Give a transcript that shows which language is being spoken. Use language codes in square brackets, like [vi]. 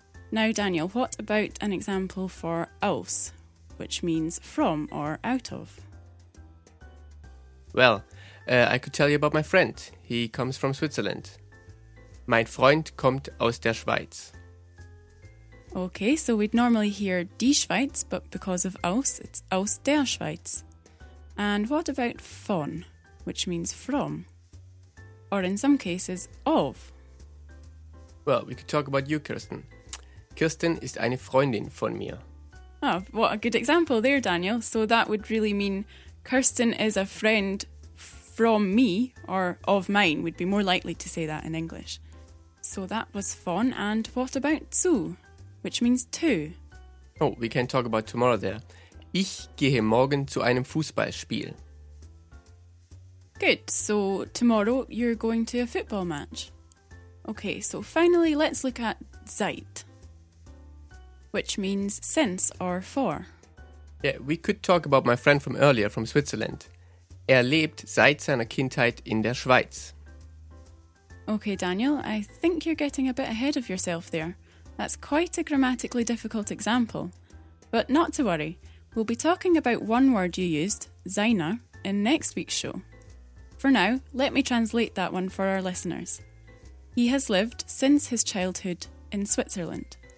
[en] Now, Daniel, what about an example for aus? Which means from or out of. Well, I could tell you about my friend. He comes from Switzerland. [de] Mein Freund kommt aus der Schweiz. [en] Okay, so we'd normally hear die Schweiz, but because of aus, it's [de] aus der Schweiz. [en] And what about von, which means from? Or in some cases, of? Well, we could talk about you, Kirsten. [de] Kirsten ist eine Freundin von mir. [en] Oh, what a good example there, Daniel. So that would really mean Kirsten is a friend from me, or of mine, would be more likely to say that in English. So that was von, and what about zu, which means to? Oh, we can talk about tomorrow there. [de] Ich gehe morgen zu einem Fußballspiel. [en] Good, so tomorrow you're going to a football match. Okay, so finally let's look at Zeit, which means since or for. Yeah, we could talk about my friend from earlier, from Switzerland. [de] Er lebt seit seiner Kindheit in der Schweiz. [en] Okay, Daniel, I think you're getting a bit ahead of yourself there. That's quite a grammatically difficult example. But not to worry, we'll be talking about one word you used, Zaina, in next week's show. For now, let me translate that one for our listeners. He has lived since his childhood in Switzerland.